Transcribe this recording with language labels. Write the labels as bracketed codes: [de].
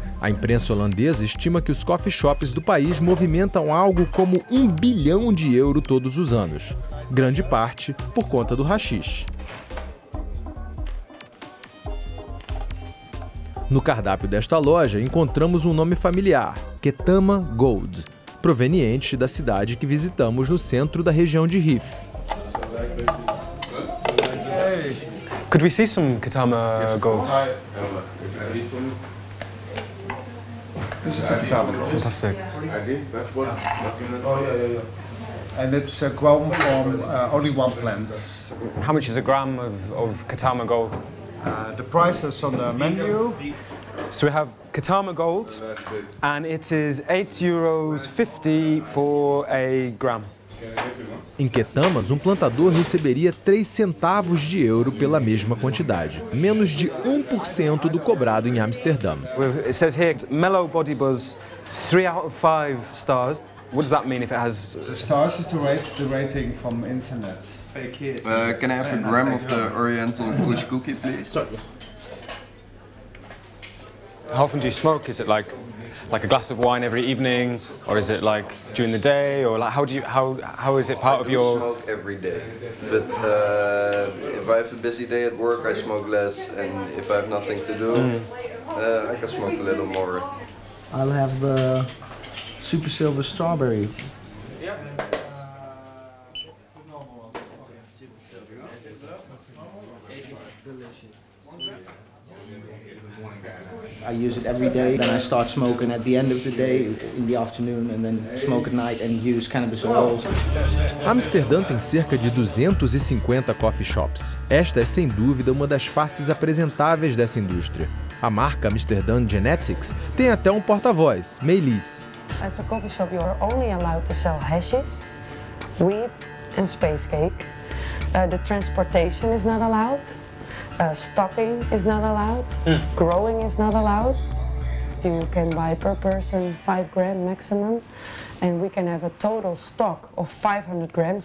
[pt] A imprensa holandesa estima que os coffee shops do país movimentam algo como 1 bilhão de euros todos os anos, grande parte por conta do haxixe. No cardápio desta loja, encontramos um nome familiar, Ketama Gold, proveniente da cidade que visitamos no centro da região de Rif. [en] Could we see some Ketama Gold? This is the Ketama Gold. That's sick. And it's grown from only one plant. How much is a gram of Ketama Gold? The price is on the menu. So we have Ketama Gold, and it is €8.50 for a gram. [pt] Em Ketamas, um plantador receberia 3 centavos de euro pela mesma quantidade, menos de 1% do cobrado em Amsterdã. [en] It says here, mellow body buzz, 3 out of 5 stars. What does that mean if it has... The stars is the rating from internet. Can I have a gram of the oriental Kush cookie, please? How often do you smoke? Is it like a glass of wine every evening, or is it like during the day, or like how is it part of your? I smoke every day, but if I have a busy day at work, I smoke less, and if I have nothing to do, I can smoke a little more. I'll have the super silver strawberry. I use it every day, then I start smoking at the end of the day, in the afternoon, and then smoke at night and use cannabis oils. [pt] Amsterdã tem cerca de 250 coffee shops. Esta é sem dúvida uma das faces apresentáveis dessa indústria. A marca Amsterdã Genetics tem até um porta-voz, Melis. [en] As a coffee shop, you are only allowed to sell hashes, weed and space cake. The transportation is not allowed. Stocking is not allowed. Growing is not allowed. You can buy per person 5 grams maximum, and we can have a total stock of 500 grams.